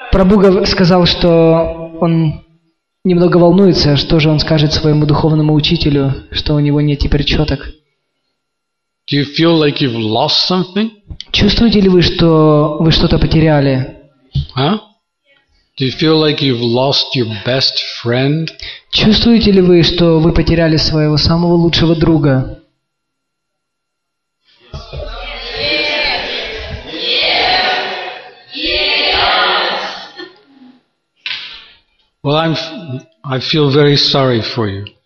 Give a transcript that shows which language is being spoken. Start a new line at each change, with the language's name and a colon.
Russian: Prabhu сказал, что он немного волнуется, что же он скажет своему духовному учителю, что у него нет теперь чёток.
English: Do you feel like you've lost something?
Russian: Чувствуете ли вы, что вы что-то потеряли?
English: Do you feel like you've lost your best friend?
Russian: Чувствуете ли вы, что вы потеряли своего самого лучшего друга?
English: Well, I feel very sorry for you.